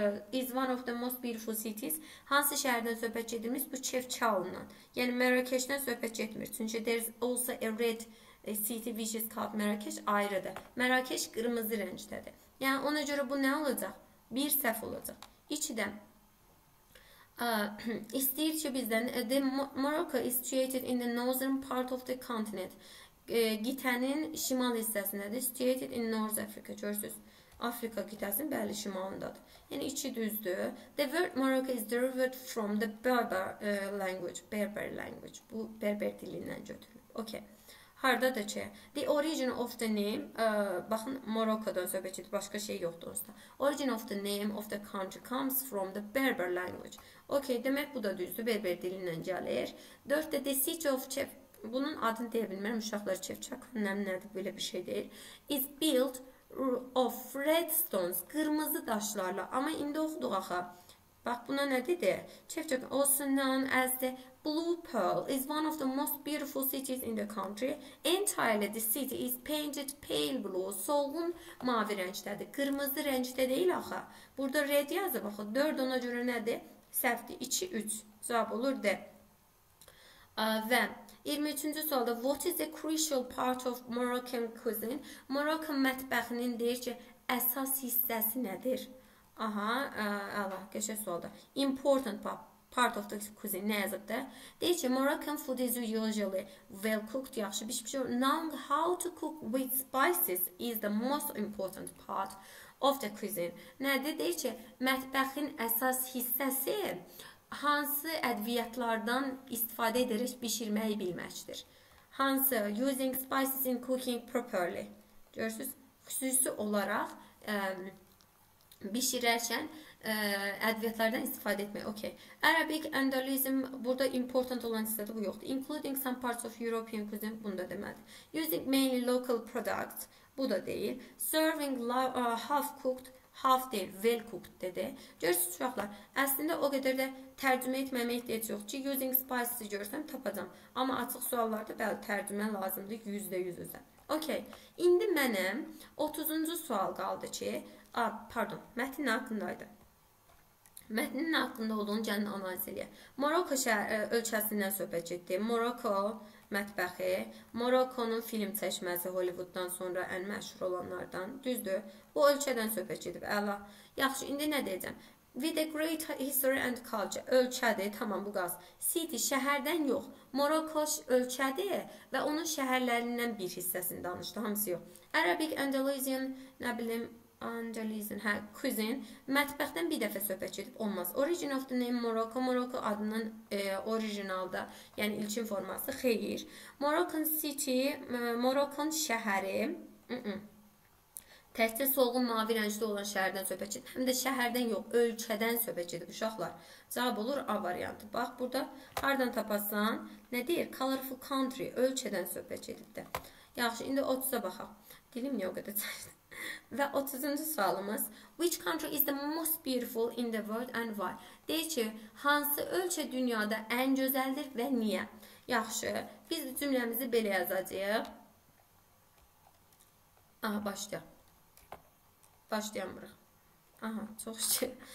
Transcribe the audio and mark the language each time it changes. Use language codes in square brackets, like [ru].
[en] Is one of the most beautiful cities. [az] Hansı şəhərdən söhbət gedirmiş? Bu Chefchaouen-dan. Yəni, Marrakeş-dən söhbət gedmir. [en] Çünki there is also a red city which is called Marrakeş [az] ayrıdır. Marrakeş qırmızı rəngdədir. Yəni, ona görə bu nə olacaq? Bir səhv olacaq. İçidən. İstəyir ki bizdən [en] Morocco is situated in the northern part of the continent. [az] Qitənin şimal hissəsindədir. [en] Situated in North Africa. [az] Görürsünüz. Afrika qitəsinin bəli şimalındadır. Yəni içi düzdür. [en] The word Morocco is derived from the Berber language. Berber language. [az] Bu Berber dilindən götürülür. Okay. Haradadır ki? [en] The origin of the name. [az] Baxın, Morocco'dan söhbət edir. Başqa şey yoxdur onda. [en] Origin of the name of the country comes from the Berber language. [az] Okey, demək bu da düzdür. Berber dilindən gəlir. 4-də the city of Chef. Bunun adını deyə bilmərəm. Uşaqlar Chefchaouen. Nəm nədir? Belə bir şey deyil. [en] Is built of red stones. [az] Qırmızı daşlarla. Amma indi oxuduq axı. Bax, buna nə dedi? [en] Chefchaouen also known as the Blue Pearl is one of the most beautiful cities in the country. Entirely the city is painted pale blue. [az] Solğun mavi rəngdədir. Qırmızı rəngdə deyil axı. Burada red yazı. Bax, 4 ona görə nədir? Səhvdir. 2-3. Cavab olur D. Və 23-cü sualda [en] what is the crucial part of Moroccan cuisine? [az] Moroccan mətbəxinin deyir ki, əsas hissəsi nədir? Aha, Allah, qəşə sualda. Important part of the cuisine nə yazıqdır? Deyir ki, [en] Moroccan food is usually well cooked, [az] yaxşı bir şey. [en] Knowing how to cook with spices is the most important part of the cuisine. [az] Nədir? Deyir ki, mətbəxin əsas hissəsi hansı ədviyyatlardan istifadə edərək bişirməyi bilməkdir. Hansı? [en] Using spices in cooking properly. [az] Görürsünüz, xüsusi olaraq bişirərkən ədviyyatlardan istifadə etmək. Okay. Arabic Andalusian burada important olan hissədə bu yoxdur. [en] Including some parts of European cuisine [az] bunu da deməlidir. [en] Using mainly local products. [az] Bu da deyil. [en] Serving half cooked, [az] half deyil, well cooked dedi. Görürsünüz uşaqlar, əslində o qədər də tərcümə etməmək deyəcək yox ki, using spices görürsəm tapacam. Amma açıq suallarda bəli tərcümə lazımdır, 100%-100%. Okay. İndi mənim 30-cu sual qaldı ki, pardon, mətnin haqqındaydı. Mətnin haqqında olduğunu gəlin analiz edək. Morocco ölkəsindən söhbət getdi. Morocco mətbəxi, Morocco'nun film çəkməsi Hollywood'dan sonra ən məşhur olanlardan, düzdür. Bu ölkədən söhbət gedib, əla. Yaxşı, indi nə deyəcəm? [en] With a great history and culture. [az] Ölçədi. Tamam, bu qaz. City şəhərdən yox. Morocco ölçədi və onun şəhərlərindən bir hissəsini danışdı. Hamısı yox. Arabic, Andalusian, nə bilim, Andalusian, hə, cuisine. Mətbəxtdən bir dəfə söhbət edib olmaz. Origin of the name Morocco. Morocco adının orijinalda, yəni ilkin forması xeyir. Moroccan city, Moroccan şəhəri. Təhsil solğun mavi rəngli olan şəhərdən söhbət edib. Həm də şəhərdən yox, ölkədən söhbət edib uşaqlar. Cavab olur A variantı. Bax burada hardan tapasan, nə deyir? Colorful country, ölkədən söhbət edib də. Yaxşı, indi 30-a baxaq. Dilim niyə o qədər çalışdı? Və 30-cu sualımız. [en] Which country is the most beautiful in the world and why? [az] Deyir ki, hansı ölkə dünyada ən gözəldir və niyə? Yaxşı, biz cümləmizi belə yazacağıq. Aha, başlayaq. Başlayamırıq. Aha, çox şey.